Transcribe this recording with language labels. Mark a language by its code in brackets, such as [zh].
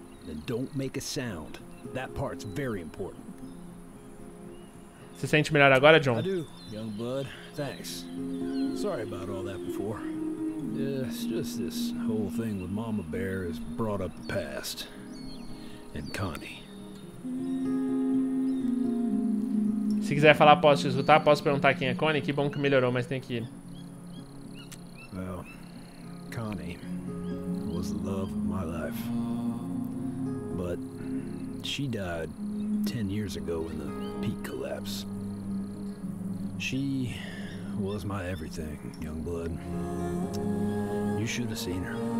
[en] Then don't make a sound. That part's very important. [pt] Você se sente melhor agora, John? Eu faço, [en] young blood. Thanks. Sorry about all that before. Yeah, it's just this whole thing with Mama Bear has brought up the past. And Connie. [pt] Se quiser falar, posso te escutar, posso perguntar quem é Connie? Que bom que melhorou, mas tem que ir. [en] Well, Connie was the love of my life. But she died 10 years ago in the peak collapse. She was my everything, young blood. You should have seen her.